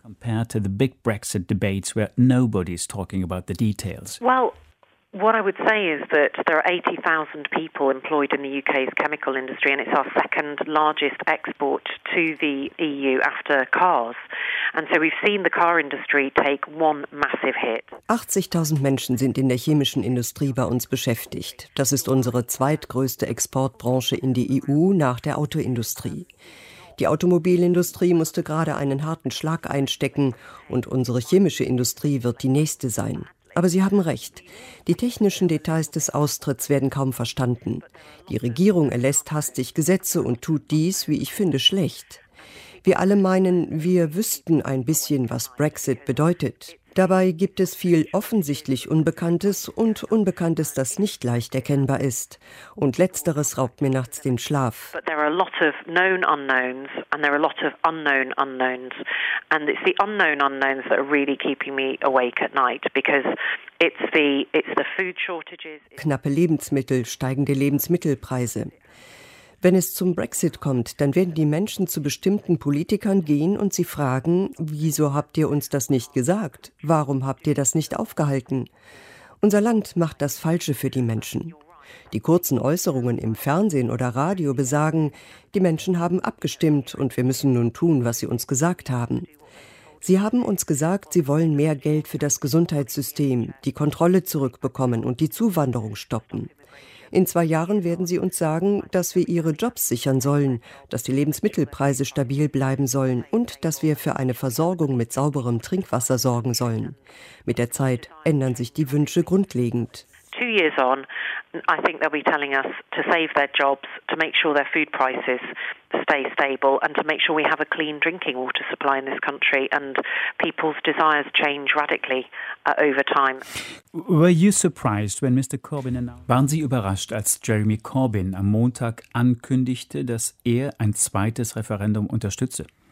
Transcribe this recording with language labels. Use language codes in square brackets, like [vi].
[en] Compared to the big Brexit debates where nobody's talking about the details. Well, what I would say is that there are 80,000 people employed in the UK's chemical industry, and it's our second largest export to the EU after cars. And so we've seen the car industry take one massive hit. [de] 80.000 Menschen sind in der chemischen Industrie bei uns beschäftigt. Das ist unsere zweitgrößte Exportbranche in die EU nach der Autoindustrie. Die Automobilindustrie musste gerade einen harten Schlag einstecken, und unsere chemische Industrie wird die nächste sein. Aber Sie haben recht. Die technischen Details des Austritts werden kaum verstanden. Die Regierung erlässt hastig Gesetze und tut dies, wie ich finde, schlecht. Wir alle meinen, wir wüssten ein bisschen, was Brexit bedeutet. Dabei gibt es viel offensichtlich Unbekanntes und Unbekanntes, das nicht leicht erkennbar ist. Und Letzteres raubt mir nachts den Schlaf. [en] But there are a lot of known unknowns and there are a lot of unknown unknowns. And it's the unknown unknowns that are really keeping me awake at night, because it's the food shortages. [de] Knappe Lebensmittel, steigende Lebensmittelpreise. Wenn es zum Brexit kommt, dann werden die Menschen zu bestimmten Politikern gehen und sie fragen, wieso habt ihr uns das nicht gesagt? Warum habt ihr das nicht aufgehalten? Unser Land macht das Falsche für die Menschen. Die kurzen Äußerungen im Fernsehen oder Radio besagen, die Menschen haben abgestimmt und wir müssen nun tun, was sie uns gesagt haben. Sie haben uns gesagt, sie wollen mehr Geld für das Gesundheitssystem, die Kontrolle zurückbekommen und die Zuwanderung stoppen. In 2 Jahren werden sie uns sagen, dass wir ihre Jobs sichern sollen, dass die Lebensmittelpreise stabil bleiben sollen und dass wir für eine Versorgung mit sauberem Trinkwasser sorgen sollen. Mit der Zeit ändern sich die Wünsche grundlegend. [en] 2 years on, I think they'll be telling us to save their jobs, to make sure their food prices stay stable and to make sure we have a clean drinking water supply in this country, and people's desires change radically over time. Were you surprised when Mr. Corbyn announced? [de] Waren Sie überrascht, als Jeremy Corbyn am Montag ankündigte, dass er ein zweites Referendum unterstütze?